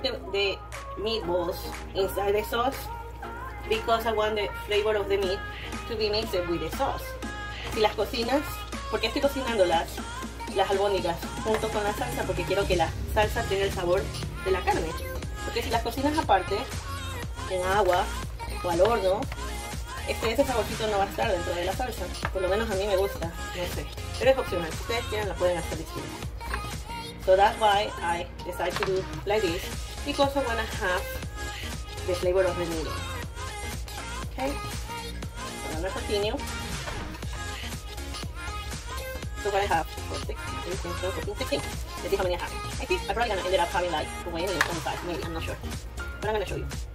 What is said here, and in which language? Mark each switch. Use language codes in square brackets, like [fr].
[en] The meatballs inside the sauce because I want the flavor of the meat to be mixed with the sauce. [es] Si las cocinas, porque estoy cocinando las albóndigas junto con la salsa, porque quiero que la salsa tenga el sabor de la carne. Porque si las cocinas aparte, en agua o al horno, es que ese saborcito no va a estar dentro de la salsa. Por lo menos a mí me gusta, no sé. Pero es opcional, si ustedes quieren la pueden hacer distinta. [en] So that's why I decided to do like this. Because I wanna have the flavor of the noodles. Okay. So I'm gonna continue. So I have 16. Let's see how many I have. I think I'm probably gonna end up having like 20 or 25, maybe, I'm not sure. But I'm gonna show you.